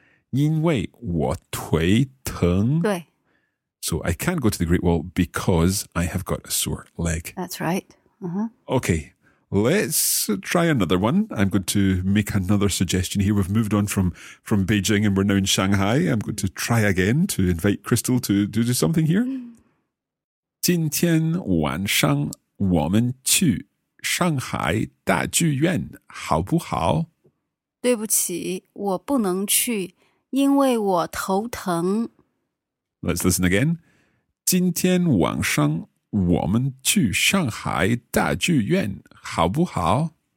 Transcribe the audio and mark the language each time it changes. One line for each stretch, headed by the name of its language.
Chinese: 我不能去长城因为我腿疼. 对.
English: So, I can't go to the Great Wall because I have got a sore leg. That's right. Okay. Let's try another one. I'm going to make another suggestion here. We've moved on from Beijing and we're now in Shanghai. I'm going to try again to invite Crystal to do something here.
Chinese: 今天晚上我们去上海大剧院好不好? 对不起,我不能去,因为我头疼。
English: Let's listen again.
Chinese: 今天晚上 我们去上海大剧院好不好?